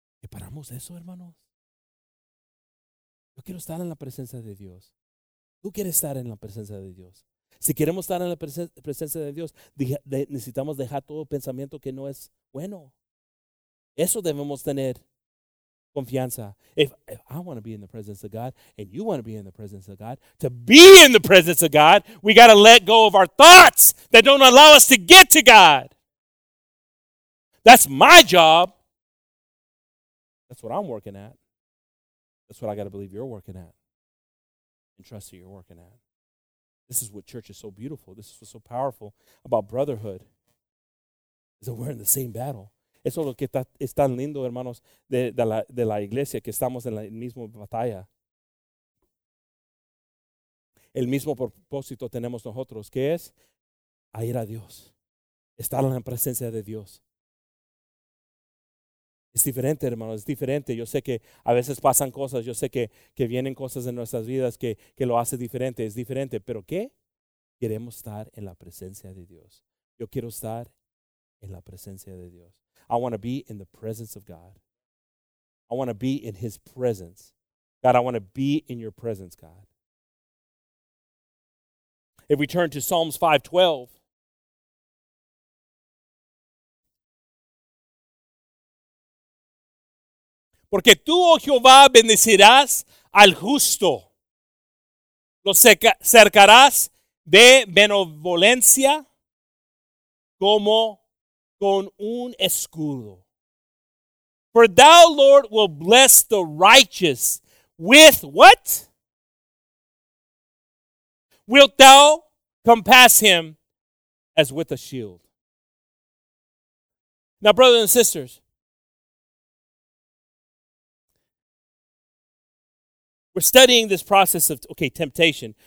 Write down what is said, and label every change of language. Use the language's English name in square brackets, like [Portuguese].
[Spanish] ¿Paramos eso, hermanos? Yo quiero estar en la presencia de Dios. Tú quieres estar en la presencia de Dios. Si queremos estar en la presencia de Dios, necesitamos dejar todo pensamiento que no es bueno. Eso debemos tener confianza. [English] If I want to be in the presence of God and you want to be in the presence of God, to be in the presence of God, we got to let go of our thoughts that don't allow us to get to God. That's my job. That's what I'm working at. That's what I got to believe you're working at and trust that you're working at. This is what church is so beautiful. This is what's so powerful about brotherhood, is that we're in the same battle. [Spanish] Eso es lo que es tan lindo, hermanos, de la iglesia, que estamos en la misma batalla. El mismo propósito tenemos nosotros, que es a ir a Dios, estar en la presencia de Dios. Es diferente, hermano, es diferente. Yo sé que a veces pasan cosas, yo sé que vienen cosas en nuestras vidas que lo hace diferente, es diferente. ¿Pero qué? Queremos estar en la presencia de Dios. Yo quiero estar en la presencia de Dios. [English] I want to be in the presence of God. I want to be in His presence. God, I want to be in your presence, God. If we turn to Psalms 5:12, [Spanish] porque tú, oh Jehová, bendecirás al justo. Lo cercarás de benevolencia como con un escudo. [English] For thou, Lord, will bless the righteous with what? Wilt thou compass him as with a shield? Now, brothers and sisters, we're studying this process of, okay, temptation.